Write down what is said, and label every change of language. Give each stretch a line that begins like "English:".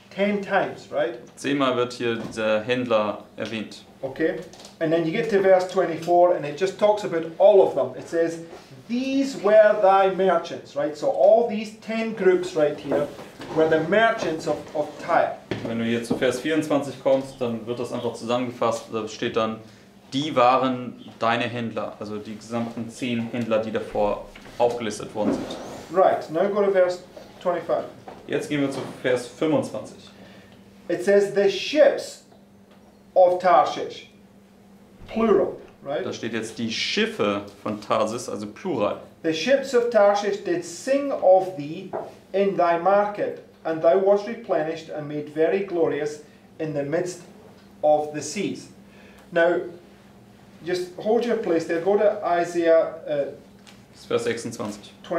English: 10 times, right?
German: 10-mal wird hier der Händler erwähnt. Okay.
English: And then you get to verse 24 and it just talks about all of them. It says, these were thy merchants, right? So all these 10 groups right here were the merchants of Tyre.
German: Wenn du hier zu Vers 24 kommst, dann wird das einfach zusammengefasst. Da steht dann, die waren deine Händler, also die gesamten 10 Händler, die davor aufgelistet worden sind.
English: Right, now go to verse 25.
German: Jetzt gehen wir zu Vers 25.
English: It says the ships of Tarshish, plural, right?
German: Da steht jetzt die Schiffe von Tarsis, also plural.
English: The ships of Tarshish did sing of thee in thy market, and thou wast replenished and made very glorious in the midst of the seas. Now, just hold your place there. Go to Isaiah.
German: Vers 26.